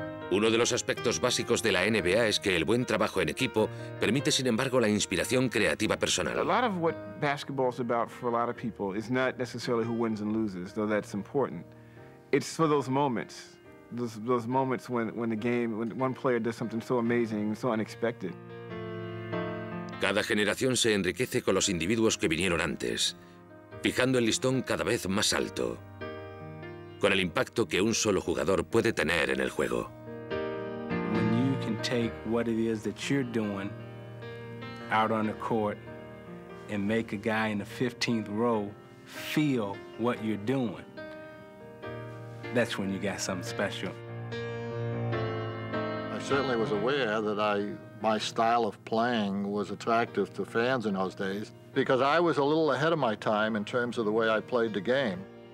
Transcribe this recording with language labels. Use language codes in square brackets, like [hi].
[es] Uno de los aspectos básicos de la NBA es que el buen trabajo en equipo permite, sin embargo, la inspiración creativa personal. [en] A lot of what basketball is about for a lot of people is not necessarily who wins and loses, though that's important. It's for those moments. Those moments when the game, when one player does something so amazing, so unexpected. [es] Cada generación se enriquece con los individuos que vinieron antes, fijando el listón cada vez más alto, con el impacto que un solo jugador puede tener en el juego. [en] When you can take what it is that you're doing out on the court and make a guy in the 15th row feel what you're doing, that's when you got something special. I certainly was aware that my style of playing was attractive to fans in those days because I was a little ahead of my time in terms of the way I played the game.